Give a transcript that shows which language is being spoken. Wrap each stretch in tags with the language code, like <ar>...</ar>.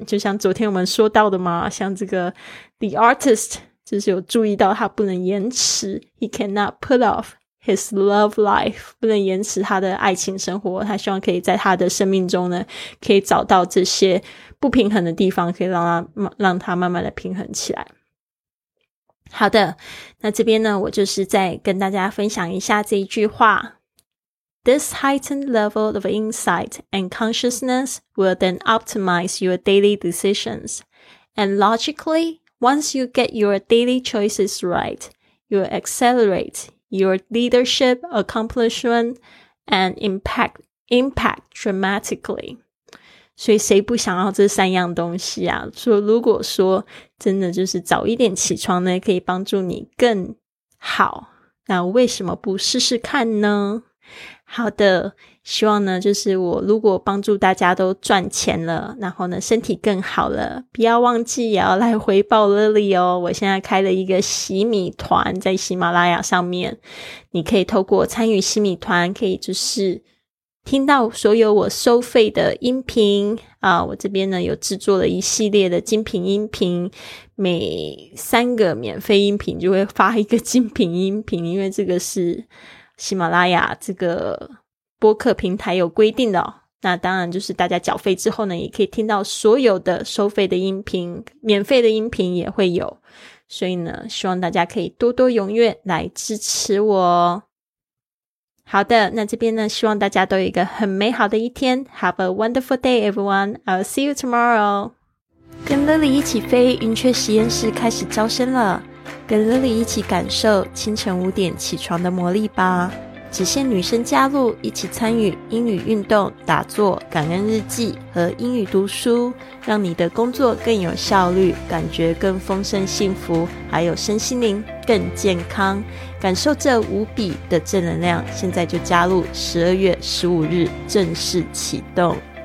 <zh>就像昨天我们说到的嘛，像这个 The Artist 就是有注意到他不能延迟，</zh> <en>He cannot put off his love life，</en> <zh>不能延迟他的爱情生活，他希望可以在他的生命中呢可以找到这些不平衡的地方，可以让他慢慢的平衡起来。好的，那这边呢，我就是再跟大家分享一下这一句话。</zh> <en>This heightened level of insight and consciousness will then optimize your daily decisions. And logically, once you get your daily choices right, you accelerate your leadership accomplishment and impact dramatically.</en> <zh>所以谁不想要这三样东西啊？所以如果说真的就是早一点起床呢，可以帮助你更好，那为什么不试试看呢？好的，希望呢就是我如果帮助大家都赚钱了，然后呢身体更好了，不要忘记也要来回报 Lily 哦。我现在开了一个洗米团在喜马拉雅上面，你可以透过参与洗米团可以就是听到所有我收费的音频啊。我这边呢有制作了一系列的精品音频，每三个免费音频就会发一个精品音频，因为这个是喜马拉雅这个播客平台有规定的哦。那当然就是大家缴费之后呢也可以听到所有的收费的音频，免费的音频也会有，所以呢希望大家可以多多踊跃来支持我。好的，那这边呢希望大家都有一个很美好的一天。</zh> <en>Have a wonderful day everyone, I'll see you tomorrow.</en> <zh>跟 Lily 一起飞云雀实验室开始招生了，跟 Lily 一起感受清晨五点起床的魔力吧。只限女生加入，一起参与英语运动、打坐、感恩日记和英语读书，让你的工作更有效率，感觉更丰盛幸福，还有身心灵更健康，感受这无比的正能量。现在就加入，12月15日正式启动。</zh>